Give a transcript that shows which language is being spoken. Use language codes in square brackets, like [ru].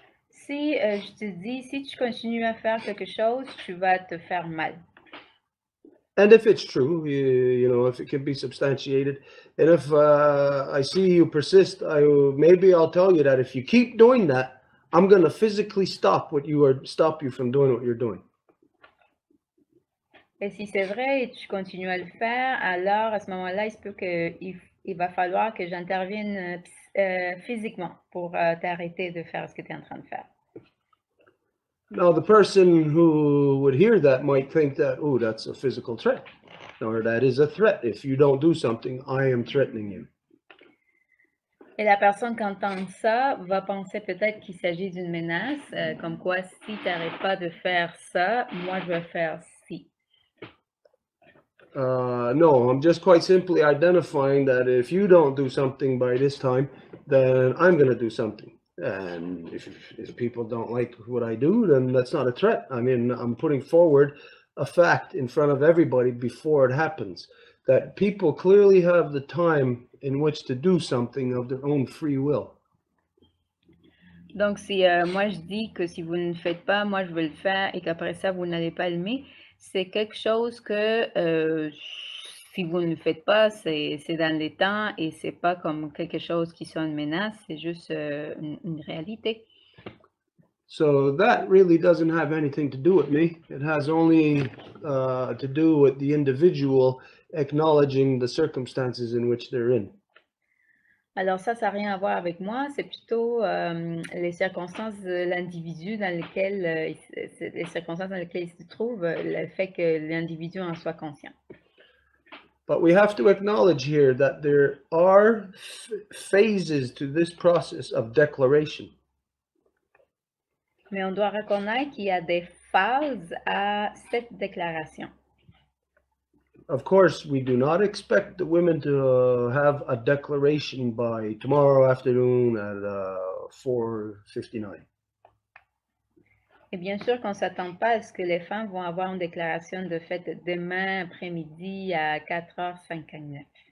[fr] Si je te dis, si tu continues à faire quelque chose, tu vas te faire mal. [en] And if it's true, you know, if it can be substantiated, and if I see you persist, maybe I'll tell you that if you keep doing that, I'm going to physically stop you from doing what you're doing. [fr] Et si c'est vrai et tu continues à le faire, alors à ce moment-là, il se peut qu'il va falloir que j'intervienne physiquement pour t'arrêter de faire ce que tu es en train de faire. [en] Now, the person who would hear that might think that, oh, that's a physical threat. or that is a threat. If you don't do something, I am threatening you. [fr] Et la personne qui entend ça va penser peut-être qu'il s'agit d'une menace, comme quoi si tu n'arrêtes pas de faire ça, moi je vais faire ci. [en] No, I'm just quite simply identifying that if you don't do something by this time, then I'm going to do something. And if people don't like what I do, then that's not a threat. I mean, I'm putting forward a fact in front of everybody before it happens, that people clearly have the time in which to do something of their own free will. [fr] Donc si moi je dis que si vous ne faites pas, moi je vais le faire et qu'après ça vous n'allez pas l'aimer, c'est quelque chose que si vous ne faites pas, c'est dans les temps et c'est pas comme quelque chose qui soit une menace, c'est juste une réalité. [en] So that really doesn't have anything to do with me. It has only to do with the individual acknowledging the circumstances in which they're in. [fr] Alors ça, ça n'a rien à voir avec moi. C'est plutôt les circonstances de l'individu dans lesquelles les circonstances dans lesquelles il se trouve, le fait que l'individu en soit conscient. [en] But we have to acknowledge here that there are phases to this process of declaration. [fr] Mais on doit reconnaître qu'il y a des phases à cette déclaration. [en] Of course, we do not expect the women to have a declaration by tomorrow afternoon at 4:59. [fr] Et bien sûr qu'on ne s'attend pas à ce que les femmes vont avoir une déclaration de fait demain après-midi à 4:59.